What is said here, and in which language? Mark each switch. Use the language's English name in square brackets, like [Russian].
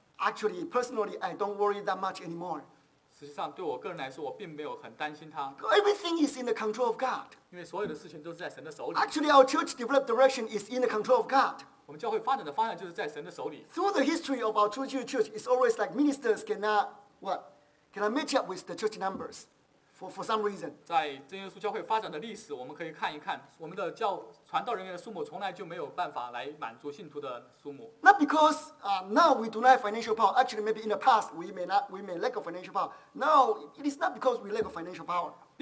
[English] Actually, personally, I don't worry that much anymore. [Chinese] 实际上对我个人来说，我并没有很担心它。 [English] Everything is in the control of God. [Chinese] 因为所有的事情都是在神的手里。 [English] Actually, our church developed direction is in the control of God. [Chinese] 我们教会发展的方向就是在神的手里。 [English] Through the history of our 2G church, it's always like ministers cannot match up with the church numbers. For some reason. [Chinese] 在真耶稣教会发展的历史，我们可以看一看，我们的教传道人员的数目从来就没有办法来满足信徒的数目。 [English] Not because now we do not have financial power. Actually, maybe in the past we may lack of financial power. Now it is not because we lack of financial power.